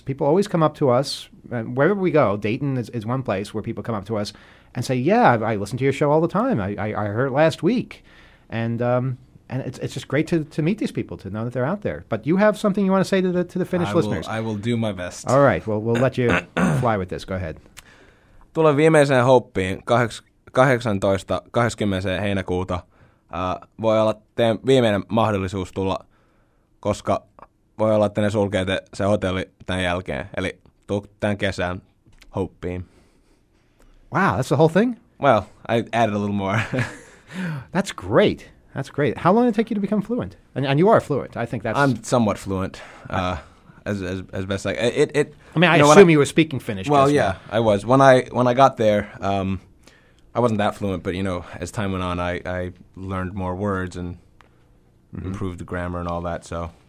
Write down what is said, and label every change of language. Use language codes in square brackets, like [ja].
[en] People always come up to us, wherever we go. Dayton is one place where people come up to us and say, yeah, I listen to your show all the time. I heard it last week. And it's just great to meet these people, to know that they're out there. But you have something you want to say to the Finnish listeners. I will do my best. All right. Well, we'll let you fly with this. Go ahead. [fi] Tule viimeiseen hoppiin 18.20. heinäkuuta. Voi olla teidän viimeinen mahdollisuus tulla, koska voi olla, että ne sulkee se hotelli tämän jälkeen. Eli tuu tämän kesän hoppiin. [en] Wow, that's the whole thing? Well, I added a little more. That's great. That's great. How long did it take you to become fluent? And you are fluent. I think that's... I'm somewhat fluent, as best I... It, I mean, I you know, assume I, you were speaking Finnish. Well, yeah, I was. When I got there, I wasn't that fluent, but, you know, as time went on, I learned more words and improved the grammar and all that, so...